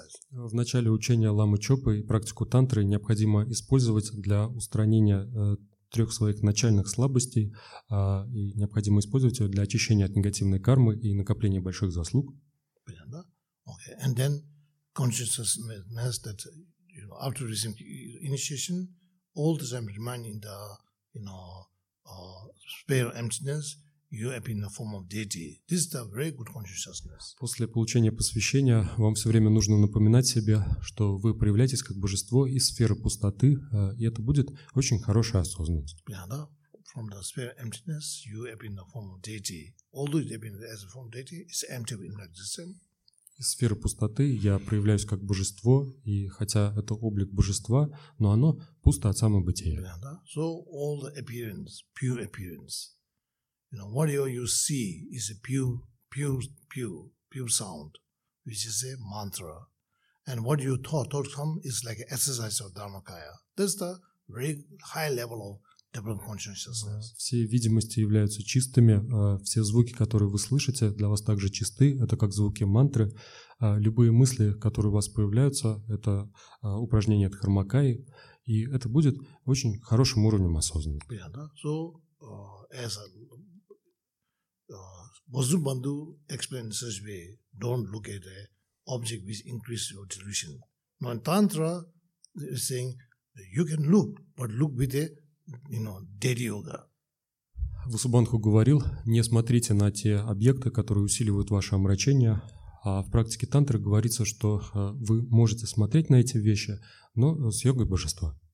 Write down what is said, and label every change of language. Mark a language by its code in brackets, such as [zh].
[ru] В начале учения Ламы Чопы и практику Тантры необходимо использовать для устранения трех своих начальных слабостей, и необходимо использовать ее для очищения от негативной кармы и накопления больших заслуг. Понятно? [en] Okay. And then consciousness that, after recent initiation, all the time remaining in the, sphere of emptiness, you have been in the form of deity. This is a very good consciousness. [ru] После получения посвящения вам все время нужно напоминать себе, что вы проявляетесь как божество из сферы пустоты, и это будет очень хорошая осознанность. [en] Yeah, no? From the sphere of emptiness, you have been in the form of deity. Although you have been as a form of deity, it's empty in existence. [ru] Из сферы пустоты я проявляюсь как божество, и хотя это облик божества, но оно пусто от самобытия. [en] Yeah, no? So all the appearance, pure appearance. Whatever you see is a pure sound, which is a mantra. And what you thought come is like an exercise of Dharmakaya. That's the very high level of developed consciousness. [ru] Все видимости являются чистыми. Все звуки, которые вы слышите, для вас также чисты. Это как звуки мантры. Любые мысли, которые у вас появляются, это упражнение от Дхармакаи. И это будет очень хорошим уровнем осознанности. Yeah, да? [en] So, as a Bozu Bandhu explained in such way, don't look at an object which increases your delusion. Now in Tantra, they're saying, you can look, but look with a, dead yoga. [ru] Bozu Bandhu говорил, не смотрите на те объекты, которые усиливают ваше омрачение. А в практике Тантры говорится, что вы можете смотреть на эти вещи, но с йогой божества.